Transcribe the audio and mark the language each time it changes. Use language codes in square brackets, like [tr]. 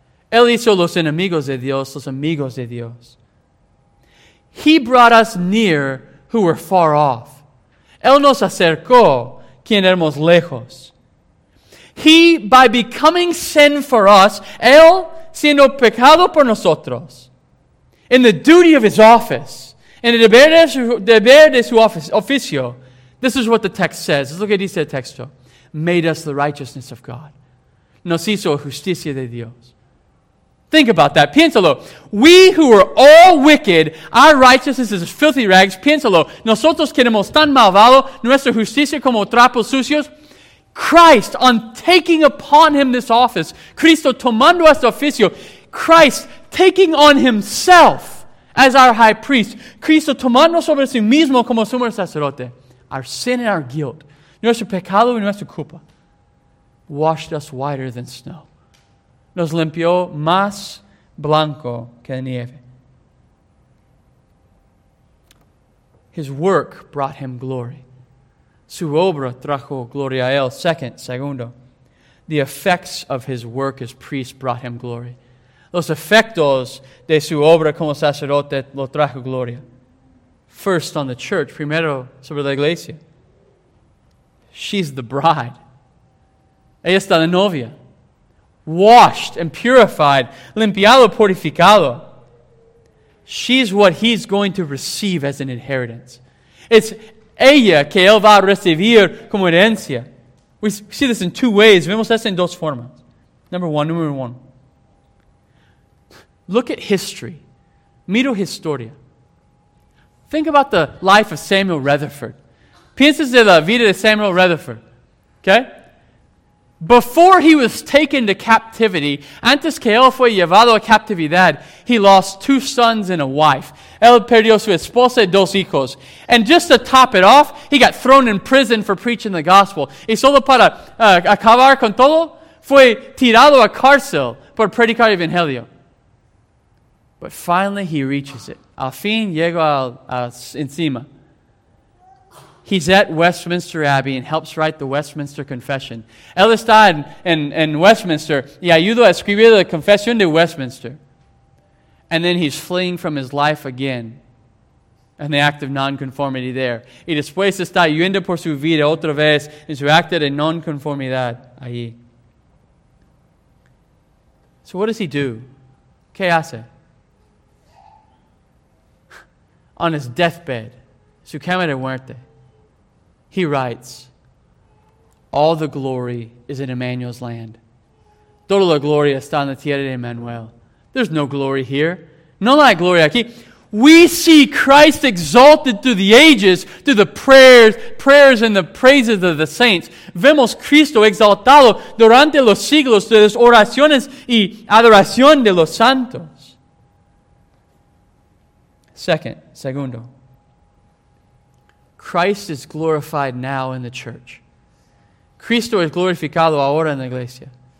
[es] Él hizo los enemigos de Dios los amigos de Dios. [en] He brought us near who were far off. [es] Él nos acercó quien éramos lejos. [en] He, by becoming sin for us, [es] Él siendo pecado por nosotros, [en] in the duty of His office, in the [es] deber de su oficio, [en] this is what the text says. [es] Es lo que dice el texto. [en] Made us the righteousness of God. [es] Nos hizo justicia de Dios. [en] Think about that. [es] Piénsalo. [en] We who are all wicked, our righteousness is filthy rags. [es] Piénsalo. Nosotros queremos tan malvado, nuestra justicia como trapos sucios. [en] Christ, on taking upon Him this office, [es] Cristo tomando este oficio, [en] Christ taking on Himself as our High Priest, [es] Cristo tomando sobre sí mismo como sumo sacerdote, [en] our sin and our guilt, [es] nuestro pecado y nuestra culpa, [en] washed us whiter than snow. [es] Nos limpió más blanco que nieve. [en] His work brought Him glory. [es] Su obra trajo gloria a Él. Segundo, [en] the effects of His work as priest brought Him glory. [es] Los efectos de su obra como sacerdote lo trajo gloria. [en] First on the church, [es] primero sobre la iglesia. [en] She's the bride. [es] Ella está la novia. [en] Washed and purified, [es] limpiado, purificado. [en] She's what He's going to receive as an inheritance. [es] It's ella que Él va a recibir como herencia. [en] We see this in two ways. [es] Vemos esto en dos formas. [en] Number one. Look at history. [es] Miro historia. [en] Think about the life of Samuel Rutherford. [es] Piensas de la vida de Samuel Rutherford. Okay? [en] Before he was taken to captivity, [es] antes que él fue llevado a captividad, [en] he lost two sons and a wife. [es] Él perdió su esposa y dos hijos. [en] And just to top it off, he got thrown in prison for preaching the gospel. [es] Y solo para acabar con todo, fue tirado a cárcel por predicar el evangelio. [en] But finally he reaches it. [es] Al fin llegó encima. [en] He's at Westminster Abbey and helps write the Westminster Confession. [es] Él está en Westminster y ayuda a escribir la Confesión de Westminster. [en] And then he's fleeing from his life again and the act of nonconformity there. [es] Y después está yendo por su vida otra vez en su acto de nonconformidad allí. [en] So what does he do? [es] ¿Qué hace? [en] On his deathbed, [es] su cama de muerte, [en] he writes, all the glory is in Emmanuel's land. [es] Toda la gloria está en la tierra de Emmanuel. [en] There's no glory here. [es] No la gloria aquí. [en] We see Christ exalted through the ages, through the prayers and the praises of the saints. [es] Vemos Cristo exaltado durante los siglos, [en] through [es] las oraciones y adoración de los santos. Segundo. [en] Christ is glorified now in the church. [es] Cristo es glorificado ahora en la iglesia.